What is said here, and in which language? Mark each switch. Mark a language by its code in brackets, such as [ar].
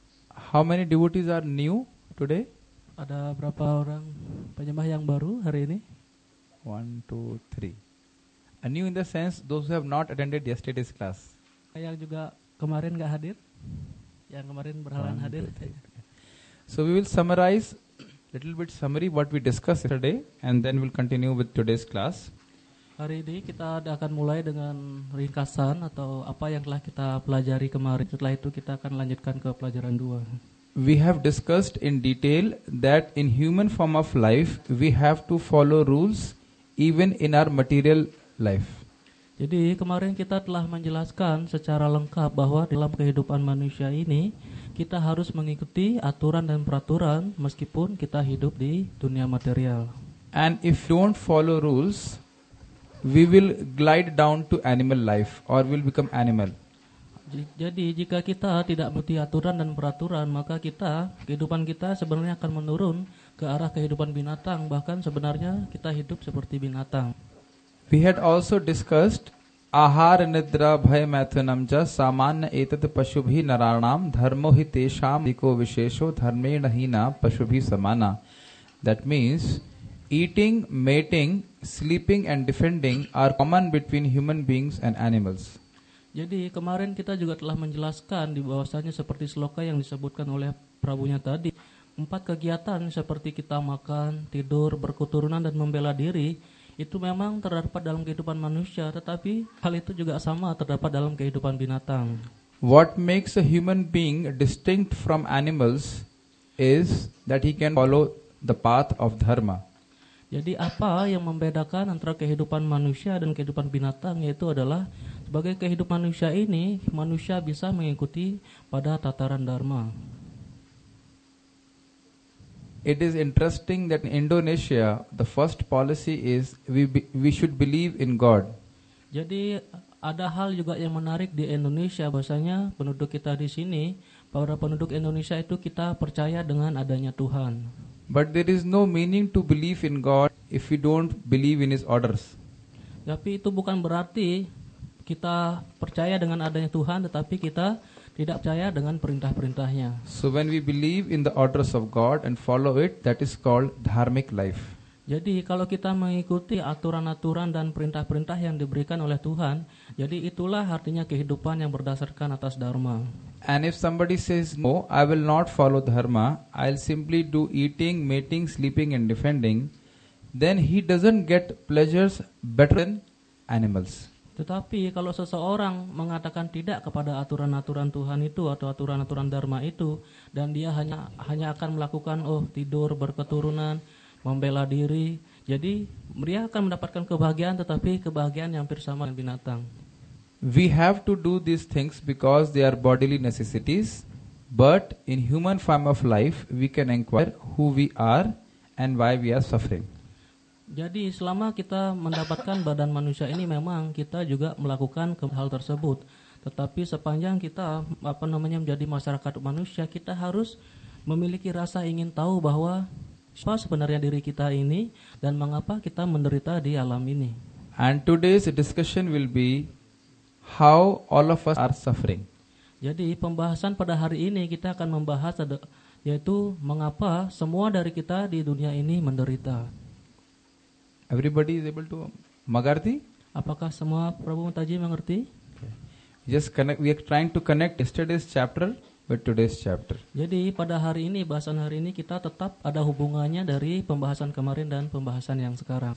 [en] How many devotees are new today? [id] Ada berapa orang penyembah yang baru hari ini? [en] 1, 2, 3. New in the sense those who have not attended yesterday's class. [id] Yang juga kemarin enggak hadir. Yang kemarin berhalangan hadir. [en] So we will summarize little bit summary what we discussed yesterday and then we'll continue with today's class. [id] Hari ini kita akan mulai dengan ringkasan atau apa yang telah kita pelajari kemarin. Setelah itu kita akan lanjutkan ke pelajaran 2. [en] We have discussed in detail that in human form of life, we have to follow rules even in our material life. [id] Jadi kemarin kita telah menjelaskan secara lengkap bahwa dalam kehidupan manusia ini, kita harus mengikuti aturan dan peraturan meskipun kita hidup di dunia material. [en] And if you don't follow rules, we will glide down to animal life or will become animal. [id] Jadi jika kita tidak mengikuti aturan dan peraturan, maka kita kehidupan kita sebenarnya akan menurun ke arah kehidupan binatang, bahkan sebenarnya kita hidup seperti binatang. [en] We had also discussed [sa] ahara nidra bhaya maithunam cha samanya etat pashubhi naranam dharmo hi tesham iko vishesho dharme nahina pashubhi samana. [en] That means eating, mating, sleeping and defending are common between human beings and animals. [id] Jadi kemarin kita juga telah menjelaskan di bahwasanya seperti sloka yang disebutkan oleh Prabhunya tadi, empat kegiatan seperti kita makan, tidur, berketurunan dan membela diri itu memang terdapat dalam kehidupan manusia, tetapi hal itu juga sama terdapat dalam kehidupan binatang. [en] What makes a human being distinct from animals is that he can follow the path of dharma. [id] Jadi apa yang membedakan antara kehidupan manusia dan kehidupan binatang yaitu adalah sebagai kehidupan manusia ini manusia bisa mengikuti pada tataran dharma. [en] It is interesting that in Indonesia the first policy is we should believe in God. [id] Jadi ada hal juga yang menarik di Indonesia bahwasanya penduduk kita di sini para penduduk Indonesia itu kita percaya dengan adanya Tuhan. [en] But there is no meaning to believe in God if we don't believe in His orders. [id] Tapi itu bukan berarti kita percaya dengan adanya Tuhan, tetapi kita tidak percaya dengan perintah-perintahnya. [en] So when we believe in the orders of God and follow it, that is called dharmic life. [id] Jadi kalau kita mengikuti aturan-aturan dan perintah-perintah yang diberikan oleh Tuhan, jadi itulah artinya kehidupan yang berdasarkan atas dharma. [en] And if somebody says no, I will not follow dharma, I'll simply do eating, mating, sleeping and defending, then he doesn't get pleasures better than animals. [id] Tetapi kalau seseorang mengatakan tidak kepada aturan-aturan Tuhan itu atau aturan-aturan dharma itu, dan dia hanya akan melakukan tidur berketurunan, membela diri, jadi dia akan mendapatkan kebahagiaan, tetapi kebahagiaan yang hampir sama dengan binatang. [en] We have to do these things because they are bodily necessities, but in human form of life we can inquire who we are and why we are suffering. [id] Jadi selama kita mendapatkan badan manusia ini, memang kita juga melakukan hal tersebut, tetapi sepanjang kita menjadi masyarakat manusia, kita harus memiliki rasa ingin tahu bahwa siapa sebenarnya diri kita ini dan mengapa kita menderita di alam ini. [en] And today's discussion will be how all of us are suffering. [id] Jadi pembahasan pada hari ini kita akan membahas yaitu mengapa semua dari kita di dunia ini menderita. [en] Everybody is able to mengerti? [id] Apakah semua Prabhu Mataji mengerti? [en] Okay. Just connect, we are trying to connect yesterday's chapter with today's chapter. [id] Jadi pada hari ini, bahasan hari ini, kita tetap ada hubungannya dari pembahasan kemarin dan pembahasan yang sekarang.